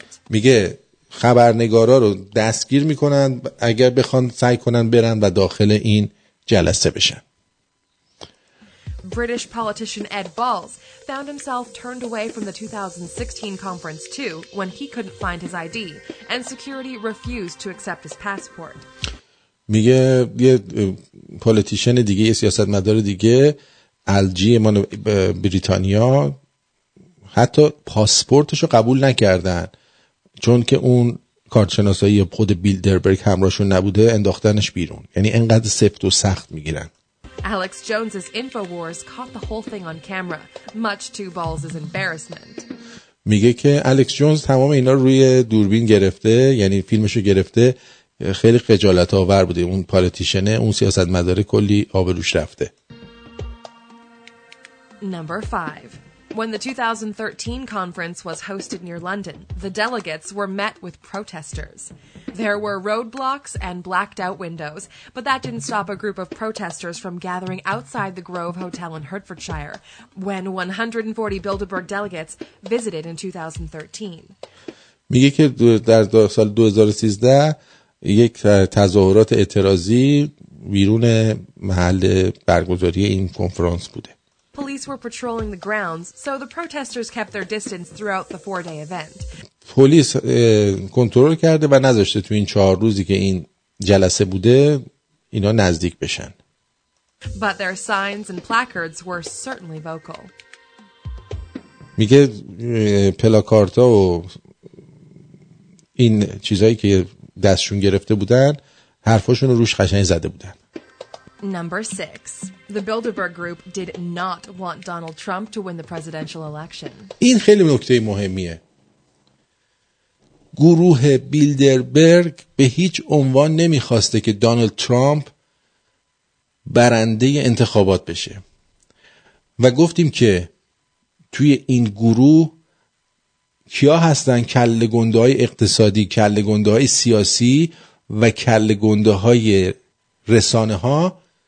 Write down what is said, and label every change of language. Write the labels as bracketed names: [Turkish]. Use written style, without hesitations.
[Persian] میگه خبرنگارا رو دستگیر میکنن اگر بخوان سعی کنن برن و داخل این جلسه بشن. [English] British politician Ed Balls found himself turned away from the 2016 conference too when he couldn't find his ID and security refused to accept his passport. [Persian] میگه یه پولیتیشن دیگه، یه سیاستمدار دیگه الجی مال بریتانیا حتی پاسپورتشو قبول نکردن، چون که اون کارتشناسایی خود بیلدربرگ همراهشون نبوده، انداختنش بیرون. یعنی انقدر سفت و سخت میگیرن. [English] Alex Jones's InfoWars caught the whole thing on camera. Much too balls is embarrassment. [Persian] میگه که الکس جونز تمام اینا روی دوربین گرفته، یعنی فیلمشو گرفته، خیلی خجالت آور بوده. اون پالیتیشنه، اون سیاستمداره کلی آبروش رفته. [English] Number 5. When the 2013 conference was hosted near London, the delegates were met with protesters. There were roadblocks and blacked out windows, but that didn't stop a group of protesters from gathering outside the Grove Hotel in Hertfordshire when 140 Bilderberg delegates visited in 2013. [Persian] میگه که در سال 2013 یک تظاهرات اعتراضی بیرون محل برگزاری این کنفرانس بوده. [English] Police were patrolling the grounds, so the protesters kept their distance throughout the four-day event. [Persian] پلیس کنترل کرده و نذاشته تو این چهار روزی که این جلسه بوده اینا نزدیک بشن. [English] But their signs and placards were certainly vocal. [Persian] میگه پلاکارتا و این چیزایی که دستشون گرفته بودن حرفاشون رو روش قشنگ زده بودن. [English] Number 6. The Bilderberg group did not want Donald Trump to win the presidential election. [Persian] این خیلی نکته مهمیه. گروه بیلدربرگ به هیچ عنوان نمیخواسته که دونالد ترامپ برنده انتخابات بشه. و گفتیم که توی این گروه کیا هستن؟ کله گنده‌های اقتصادی، کله گنده‌های سیاسی و کله گنده‌های رسانه‌ها